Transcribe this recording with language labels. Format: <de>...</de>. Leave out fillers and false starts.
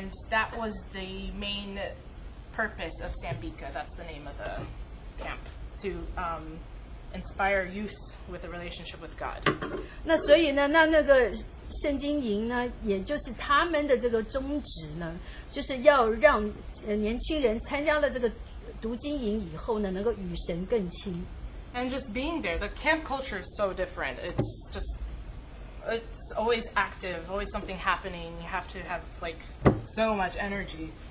<en>that was the main purpose of Sambica, that's the name of the camp, to inspire youth with a relationship with God.</en> <zh>那所以呢，那个圣经营呢，也就是他们的这个宗旨呢，就是要让年轻人参加了这个读经营以后呢，能够与神更亲。</zh> <en>And just being there, the camp culture is so different. It's just, it's always active, always something happening. You have to have like so much energy.</en>